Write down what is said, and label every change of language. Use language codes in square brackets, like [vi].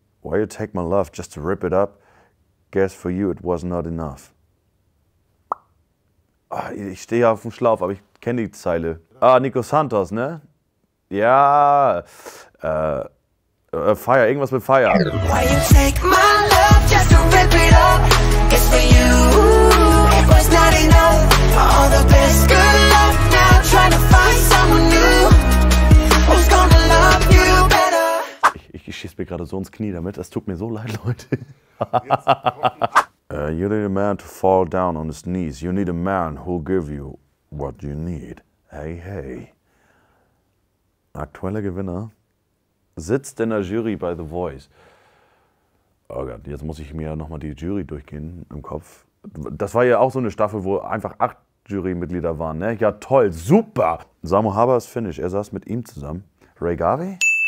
[en] Why you take my love just to rip it up? Guess for you it was not enough. [de] Ich stehe auf dem Schlauch, aber ich kenne die Zeile. Dann Ah, Nico Santos, ne? Ja. Fire, irgendwas mit Fire. [en] Why you take my love just to rip it up? It's for you. It was not enough. For all the best good luck now trying to find someone new. Who's gonna love you better? [de] Ich schieß mir gerade so ins Knie damit. Das tut mir so leid, Leute. [en] You need a man to fall down on his knees. You need a man who'll give you what you need. Hey, hey. [de] Aktueller Gewinner sitzt in der Jury bei The Voice. Oh Gott, jetzt muss ich mir nochmal die Jury durchgehen im Kopf. Das war ja auch so eine Staffel, wo einfach 8 Jurymitglieder waren, ne? Ja, toll, super. Samu Haber ist Finnish. Er saß mit ihm zusammen. Ray Gavi?